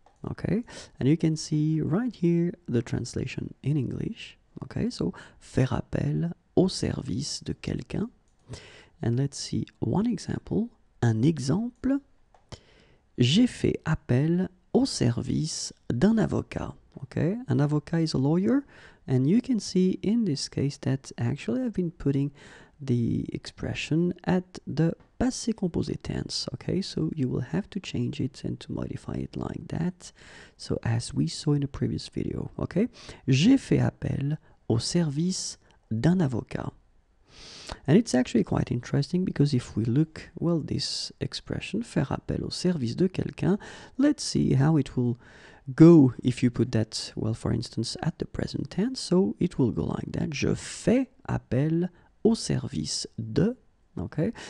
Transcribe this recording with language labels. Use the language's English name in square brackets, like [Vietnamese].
[English] Okay, and you can see right here the translation in English. Okay, so [French] faire appel au service de quelqu'un. [English] And let's see one example. [French] Un exemple. J'ai fait appel au service d'un avocat. [English] Okay, an avocat is a lawyer. And you can see in this case that actually I've been putting the expression at the passé composé tense. Okay, so you will have to change it and to modify it like that. So as we saw in a previous video. [French] Okay, j'ai fait appel au service d'un avocat. [English] And it's actually quite interesting because if we look, well, this expression, faire appel au service de quelqu'un, let's see how it will go if you put that, well, for instance, at the present tense. So it will go like that. [French] Je fais appel au service de, [English] okay?